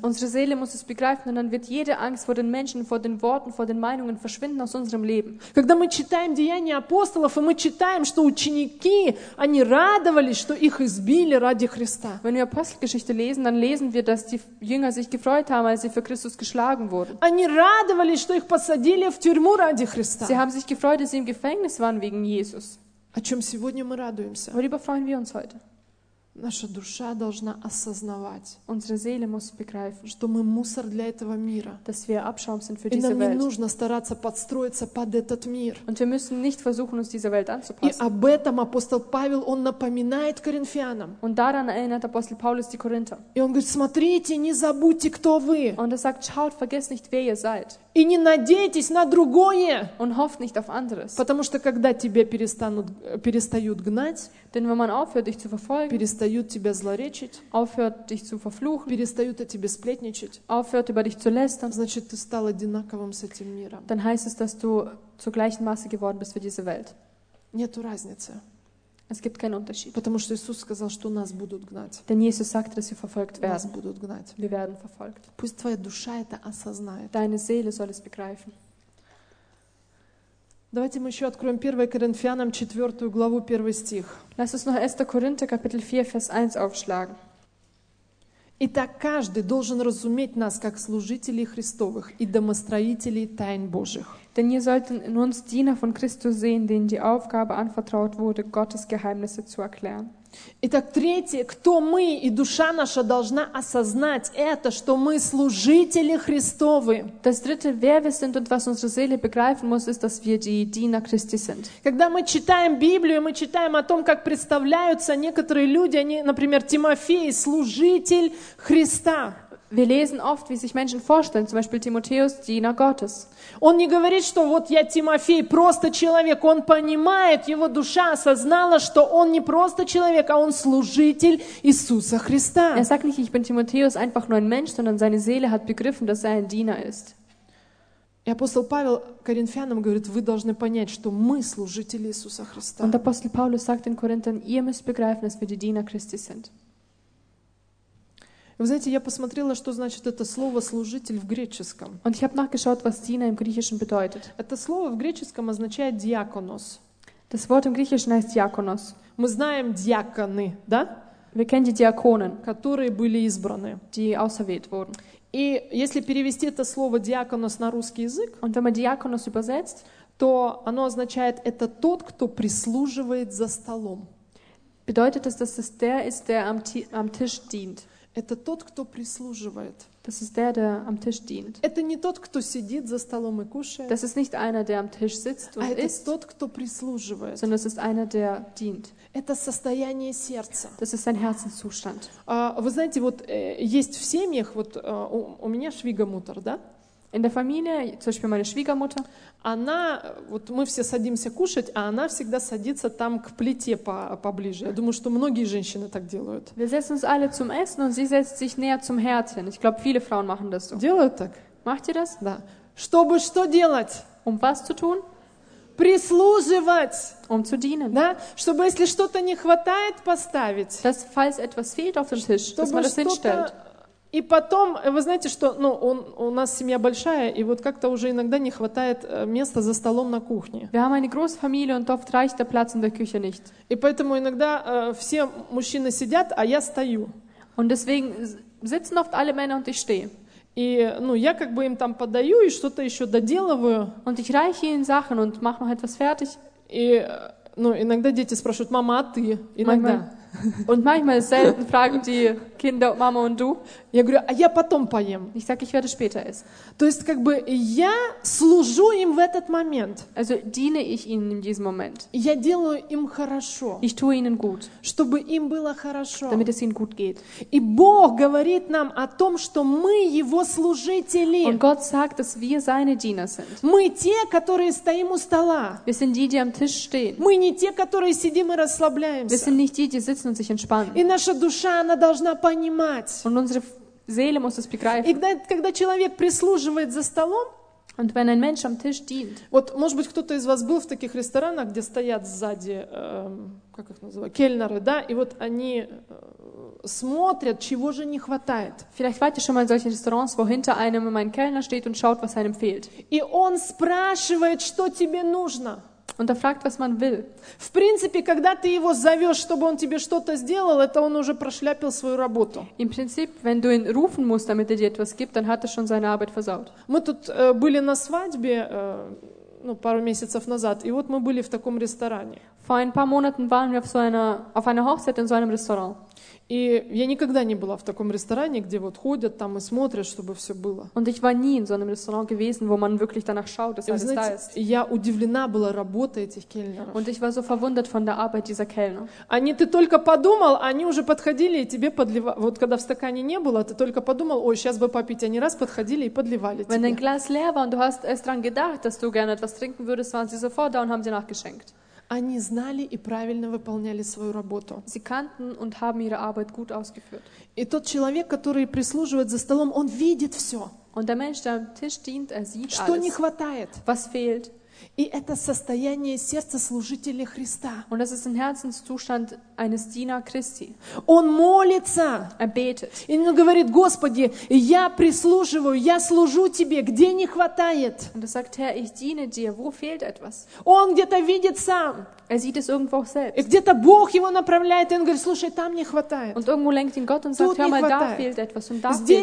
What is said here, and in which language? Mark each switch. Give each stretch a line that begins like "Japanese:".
German: Unsere Seele muss es begreifen, und dann wird jede Angst vor den Menschen, vor den Worten, vor den Meinungen verschwinden aus unserem Leben.
Russian: Когда мы читаем Деяния апостолов, и мы читаем, что ученики, они радовались, что их избили ради Христа.
German: Wenn wir Apostelgeschichte lesen, dann lesen wir, dass die Jünger sich gefreut haben, als sie für Christus geschlagen wurden.
Russian: Они радовались, что их посадили в тюрьму ради Христа.
German: Sie haben sich gefreut, dass sie im Gefängnis waren wegen Jesus.
Russian: О чем сегодня мы радуемся?
German: Worüber freuen wir uns heute?
Russian: Наша душа должна осознавать,
German: unsere Seele muss begreifen,
Russian: что мы мусор для этого мира,
German: dass wir Abschaum sind für
Russian: и
German: diese
Russian: нам
German: Welt.
Russian: Не нужно стараться подстроиться под этот мир.
German: Und wir müssen nicht versuchen, uns dieser Welt anzupassen.
Russian: И об этом апостол Павел он напоминает коринфянам.
German: Und daran erinnert Apostel Paulus die Korinther.
Russian: И он говорит, смотрите, не забудьте, кто вы.
German: Und er sagt, schaut, vergesst nicht, wer ihr seid.
Russian: И не надейтесь на другое.
German: Und hofft nicht auf anderes.
Russian: Потому что когда тебя перестают гнать,
German: denn wenn man aufhört, dich zu verfolgen,
Russian: перестают тебя злоречить,
German: aufhört, dich zu verfluchen,
Russian: перестают о тебе сплетничать,
German: aufhört, über dich zu lästern,
Russian: значит, ты стал одинаковым с этим миром.
German: Dann heißt es, dass du zur gleichen Masse geworden bist für diese Welt.
Russian: Нету разницы.
German: Es gibt keinen Unterschied.
Russian: Потому что Иисус сказал, что нас будут гнать.
German: Denn Jesus sagte, dass wir verfolgt werden.
Russian: Нас будут гнать.
German: Wir werden verfolgt.
Russian: Пусть твоя душа это осознает.
German: Deine Seele soll es begreifen.
Russian: Давайте мы еще откроем 1 Коринфянам 4 главу 1 стих.
German: Lass uns noch 1. Korinther Kapitel 4 Vers 1 aufschlagen.
Russian: Итак, каждый должен разуметь нас как служителей Христовых и домостроителей тайн Божьих.
German: Denn ihr solltet in uns Diener von Christus sehen, denen die Aufgabe anvertraut wurde, Gottes Geheimnisse zu erklären.
Russian: Итак, третье, кто мы и душа наша должна осознать это, что мы служители Христовы.
German: Das dritte, wer wir sind und was unsere Seele begreifen muss, ist, dass wir die Diener Christi sind.
Russian: Когда мы читаем Библию, мы читаем о том, как представляются некоторые люди, они, например, Тимофей, служитель Христа.
German: Wir lesen oft, wie sich Menschen vorstellen, zum Beispiel Timotheus, Diener Gottes.
Russian: Он не говорит, что вот я Тимофей, просто человек. Он понимает, его душа осознала, что он не просто человек, а он служитель Иисуса Христа.
German: Er sagt nicht, ich bin Timotheus, einfach nur ein Mensch, sondern seine Seele hat begriffen, dass er ein Diener ist.
Russian: И апостол Павел коринфянам говорит, вы должны понять, что мы служители Иисуса Христа.
German: Und Apostel Paulus sagt den Korinthern, ihr müsst begreifen, dass wir die Diener Christi sind.
Russian: Вы знаете, я посмотрела, что значит это слово «служитель» в греческом.
German: Und ich habe nachgeschaut, was Diener im Griechischen bedeutet.
Russian: Это слово в греческом означает «диаконос».
German: Das Wort im Griechischen heißt «диаконос».
Russian: Мы знаем «диаконы», да?
German: Wir kennen die Diakonen,
Russian: которые были избраны.
German: Die auserwählt wurden.
Russian: И если перевести это слово «диаконос» на русский язык,
German: Und wenn man «диаконос» übersetzt,
Russian: то оно означает «это тот, кто прислуживает за столом».
German: Bedeutet es, dass es der ist, der am Tisch dient.
Russian: Это тот, кто прислуживает.
German: Das ist der, der am Tisch dient.
Russian: Это не тот, кто сидит за столом и кушает.
German: Das ist nicht einer, der am Tisch sitzt und isst.
Russian: Это тот, кто прислуживает.
German: Sondern es ist einer, der dient.
Russian: Это состояние сердца.
German: Das ist ein Herzenszustand.
Russian: Вы знаете, вот есть в семьях, вот у меня Schwiegermutter, да?
German: In der Familie, zum Beispiel meine Schwiegermutter.
Russian: Она, вот мы все садимся кушать, а она всегда садится там к плите поближе. Я думаю, что многие женщины так делают.
German: Wir setzen uns alle zum Essen und sie setzt sich näher zum Herd hin. Ich glaube, viele Frauen machen das so.
Russian: Делают так?
German: Macht ihr das?
Russian: Да. Чтобы что делать?
German: Um was zu tun?
Russian: Прислуживать.
German: Um zu dienen.
Russian: Да? Чтобы, если что-то не хватает, поставить.
German: Dass, falls etwas fehlt auf dem Tisch,
Russian: чтобы
German: dass man das hinstellt.
Russian: И потом, вы знаете, что ну, у нас семья большая, и вот как-то уже иногда не хватает места за столом на кухне.
German: Wir haben eine große Familie und oft reicht der Platz in der Küche nicht.
Russian: И поэтому иногда все мужчины сидят, а я стою.
German: Und deswegen sitzen oft alle Männer und ich stehe.
Russian: И ну, я как бы им там подаю и что-то еще доделываю.
German: Und ich reiche ihnen Sachen und mache noch etwas fertig.
Russian: И ну, иногда дети спрашивают, мама, а ты? Иногда.
German: Und manchmal selten fragen die Kinder, Mama und du.
Russian: Я говорю, а я потом поем.
German: Ich sag, ich werde später essen.
Russian: То есть, как бы, я служу им в этот момент.
German: Also diene ich ihnen in diesem Moment.
Russian: Я делаю им хорошо.
German: Ich tue ihnen gut.
Russian: Чтобы им было хорошо.
German: Damit es ihnen gut geht.
Russian: И Бог говорит нам о том, что мы его служители.
German: Und Gott sagt, dass wir seine Diener sind.
Russian: Мы те, которые стоим у стола.
German: Wir sind die, die am Tisch stehen.
Russian: Мы не те, которые сидим и расслабляемся.
German: Wir sind nicht die, die sitzen. Und sich
Russian: и наша душа, она должна понимать.
German: Und unsere Seele muss es begreifen.
Russian: И когда человек прислуживает за столом,
German: und wenn ein Mensch am Tisch dient,
Russian: вот, может быть, кто-то из вас был в таких ресторанах, где стоят сзади, как их называют, кельнеры, да, и вот они смотрят, чего же не хватает.
German: Vielleicht wart ihr schon mal in solchen Restaurants, wo hinter einem ein Kellner steht und schaut, was einem fehlt.
Russian: И он спрашивает, что тебе нужно.
German: Und er fragt, was man will.
Russian: В принципе, когда ты его зовешь, чтобы он тебе что-то сделал, это он уже прошляпил свою работу.
German: Im Prinzip, wenn du ihn rufen musst, damit er dir etwas gibt, dann hat er schon seine Arbeit versaut.
Russian: Мы тут были на свадьбе ну, пару месяцев назад, и вот мы были в таком ресторане.
German: Vor ein paar Monaten waren wir auf einer Hochzeit in so einem Restaurant.
Russian: И я никогда не была в таком ресторане, где вот ходят там и смотрят, чтобы все было.
German: Und ich war nie in so einem Restaurant gewesen, wo man wirklich danach schaut, dass alles da ist.
Russian: Я удивлена была работой этих кельнеров.
German: Und ich war so verwundert von der Arbeit dieser Kellner.
Russian: Они, ты только подумал, они уже подходили и тебе подливали. Вот когда в стакане не было, ты только подумал, ой, сейчас бы попить. Они раз подходили и подливали тебе.
German: Wenn ein Glas leer war und du hast erst dran gedacht, dass du gerne etwas trinken würdest, waren sie sofort da und haben dir nachgeschenkt.
Russian: Они знали и правильно выполняли свою работу.
German: Sie kannten und haben ihre Arbeit gut ausgeführt.
Russian: И тот человек, который прислуживает за столом, он видит все.
German: Und der Mensch, der am Tisch dient, er sieht alles.
Russian: Что не хватает?
German: Was fehlt?
Russian: И это состояние сердца служителя Христа.
German: Und das ist ein Herzenszustand eines Diener Christi.
Russian: Он молится.
German: Er betet.
Russian: И он говорит, Господи, я прислуживаю, я служу тебе, где не хватает?
German: Und er sagt, Herr, ich diene dir, wo fehlt etwas?
Russian: Он где-то видит сам.
German: Er sieht es irgendwo selbst.
Russian: И где-то Бог его направляет, и он говорит, слушай, там не хватает.
German: Und irgendwo lenkt ihn Gott und sagt, hör mal, da fehlt etwas und da fehlt